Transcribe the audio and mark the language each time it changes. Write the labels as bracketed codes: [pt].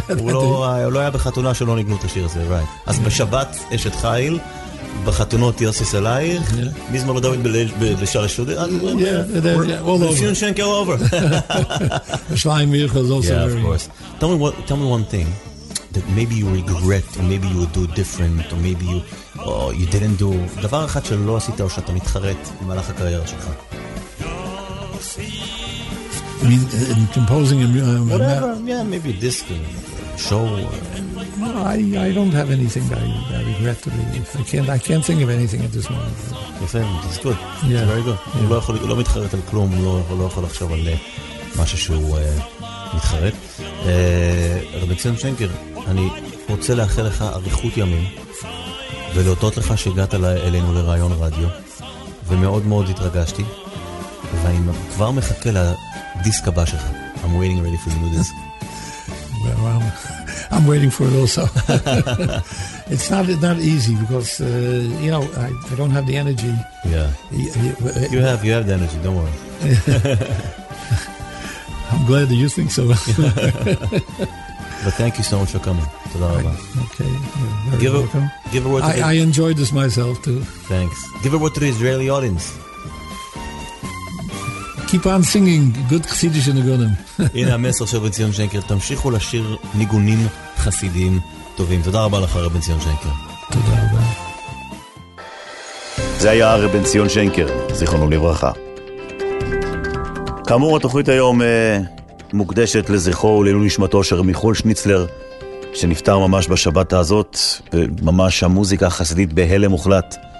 [he] הוא לא היה בחתונה שלא ניגנו את השיר הזה, right. אז בשבת אשת חיל, בחתונות יוסיס אלייך, מזמור לדוד בשער השודר. [en] Yeah, all over. Soon shan't go over. Shlaim Mirchel is also very... Yeah, of course. Tell me one thing. That maybe you regret, or maybe you would do different, or maybe you, oh, you didn't do. [he] דבר אחד שלא עשית או שאתה מתחרט במהלך הקריירה שלך. [en] I mean, in composing a whatever, yeah, maybe a disc, a show. No, I don't have anything that I regret to be. I can't think of anything at this moment. יפה, it's good. Yeah. It's very good. Yeah. [he] הוא לא יכול, הוא לא מתחרט על כלום, הוא לא יכול לחשוב על משהו שהוא מתחרט. רבי ציון שנקר, אני רוצה לאחל לך אריכות ימים ולהודות לך שהגעת אלינו לרעיון רדיו, ומאוד מאוד התרגשתי, ואני כבר מחכה לדיסק הבא שלך. [en] I'm waiting ready for the new disc. Well, I'm waiting for it also. It's not easy because you know, I don't have the energy. Yeah, you have the energy, don't worry. I'm glad that you think so. But thank you so much for coming. Tada Rabba. Okay. Give welcome. Give a word to I enjoyed this myself too. Thanks. Give a word to the Israeli audience. Keep on singing. Good Chassidish in the Gunim. [he] הנה המסר של רבן ציון שנקר. תמשיכו לשיר ניגונים חסידיים טובים. תודה רבה לך רבן ציון שנקר. תודה רבה. זה היה רבן ציון שנקר, זיכרונו לברכה. כאמור, התוכנית היום מוקדשת לזכרו ולעילוי נשמתו של רבי חול שניצלר, שנפטר ממש בשבת הזאת, ממש המוזיקה החסידית בהלם מוחלט.